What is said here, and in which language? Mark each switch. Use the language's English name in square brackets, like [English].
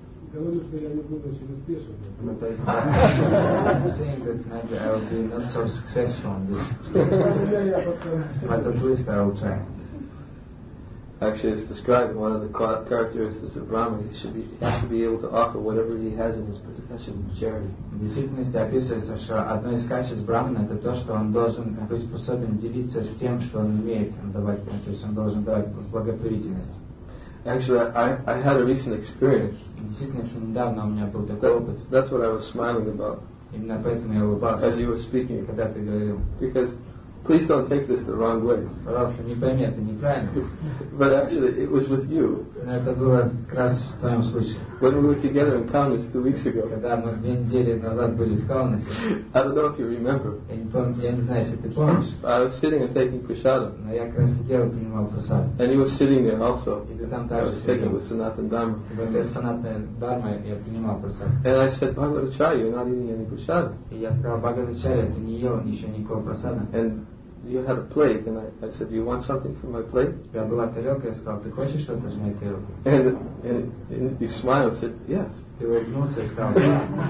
[Russian] Говорю, что я не буду очень успешен. [English] I'm saying that maybe I will be not so successful on this. But at least I will try. Actually, it's described one of the characteristics of Brahma. He has to be able to offer whatever he has in his possession to charity. [Russian] В действительности описывается, что одно из качеств Брахмана это то, что он должен быть способен делиться с тем, что он имеет, давать, то есть он должен давать благотворительность. [English] Actually, I had a recent experience. That's what I was smiling about. [Russian] Именно поэтому я улыбался. [English] As you were speaking, [Russian] когда ты говорил. [English] Because, please don't take this the wrong way. [Russian] Пожалуйста, не пойми это неправильно. [English] But actually, it was with you. [Russian] Но это было как раз в твоем случае. [English] When we were together in Kaunas 2 weeks ago. [Russian] Когда мы 2 недели назад были в Каунасе. [English] I don't know if you remember. [Russian] Я не знаю, если ты помнишь. [English] I was sitting and taking prasadam. [Russian] Но я как раз сидел и принимал прасаду. [English] And you were sitting there also. [Russian] И ты там также сидел. [English] I was taking with Sanatana Dharma. [Russian] И вот я Sanatana Dharma я принимал прасаду. [English] And I said, Bhagavacharya, you're not eating any prasadam. [Russian] И я сказал, Bhagavacharya, ты не ел еще никакого прасада. [English] And you had a plate, and I said, do you want something from my plate? [Russian] Я была тарелка, я сказал, ты хочешь что-то с моей тарелки? [English] And you smiled, said, yes. [Russian] Ты улыбнулся, я сказал, да.